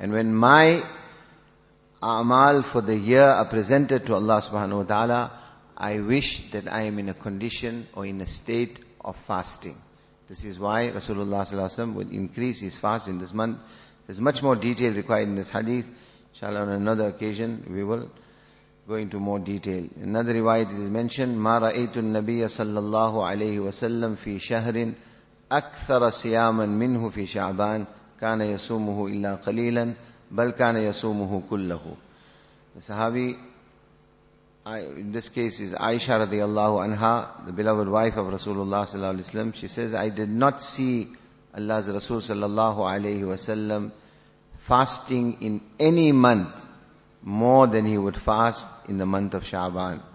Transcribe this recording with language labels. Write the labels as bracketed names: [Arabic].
[English] And when my a'mal for the year are presented to Allah subhanahu wa ta'ala, I wish that I am in a condition or in a state of fasting. This is why Rasulullah sallallahu alayhi wa sallam would increase his fast in this month. There's much more detail required in this hadith. Inshallah, on another occasion, we will go into more detail. In another riwayat it is mentioned, [Arabic] مَا رَأَيْتُ النَّبِيَّ صَلَّى اللَّهُ عَلَيْهِ وَسَلَّمْ فِي شَهْرٍ أكثر صياما منه في شعبان كان يصومه إلا قليلا بل كان يصومه كله. [English] The Sahabi, in this case is Aisha radiallahu anha, the beloved wife of Rasulullah sallallahu alayhi wa sallam. She says, I did not see Allah's Rasul sallallahu alayhi wa sallam fasting in any month more than he would fast in the month of Sha'ban.